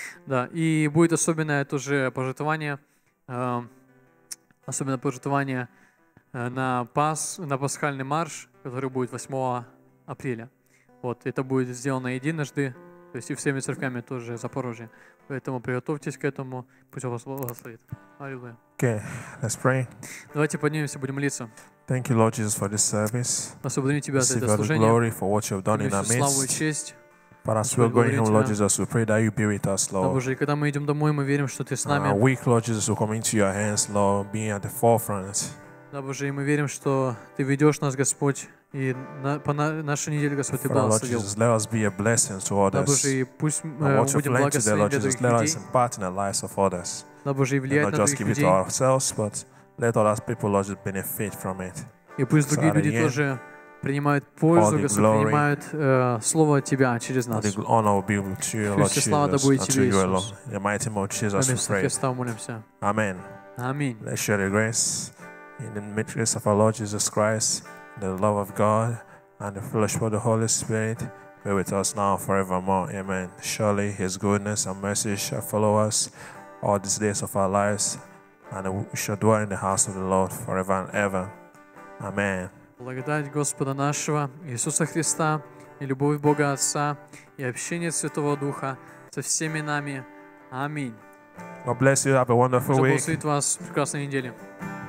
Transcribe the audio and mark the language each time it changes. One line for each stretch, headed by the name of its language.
Russian: Да, и будет особенное тоже пожертвование. Особенное пожертвование на пасхальный марш, который будет 8 апреля. Вот, это будет сделано единожды, то есть и всеми церквями тоже Запорожья. Поэтому приготовьтесь к этому, пусть вас благословит. Аллилуйя.
English: Okay, let's pray.
Russian: Давайте поднимемся, будем молиться.
English: Thank you, Lord Jesus, for this service.
Russian: Мы благодарим Тебя за это служение.
English: Glory for what You've done in our midst.
Russian: Славу и честь.
English: But as we're going home, Lord Jesus, we pray that You be with us, Lord. We, Lord Jesus, will come into Your hands, Lord, being at the forefront.
Russian: Да, Боже, и мы верим, что Ты ведешь нас, Господь, и по нашей неделе, Господь, Ты благословил.
English: Let us be a blessing to others.
Russian: Да, Боже, и пусть мы будем благословлять для других людей. Да, Боже, и влиять на других людей.
English: Not just give it to ourselves, but let other people, Lord Jesus, benefit from it.
Russian: И пусть другие люди тоже принимают пользу, Господь, принимают слово от Тебя через нас.
English: The honor will be with You, Lord Jesus, and to You alone. In the mighty name of Jesus, we pray. Amen. Amen. Let's share the grace. In the midst of our Lord Jesus Christ, the love of God and the fellowship of the Holy Spirit be with us now and forevermore. Amen. Surely His goodness and mercy shall follow us all these days of our lives, and we shall dwell in the house of the Lord forever and ever. Amen.
Russian: Благодать Господа нашего Иисуса Христа и любовь Бога Отца и общение Святого Духа со всеми нами. Аминь.
English: God bless you. Have a wonderful week.
Russian: Благословит вас прекрасной неделе.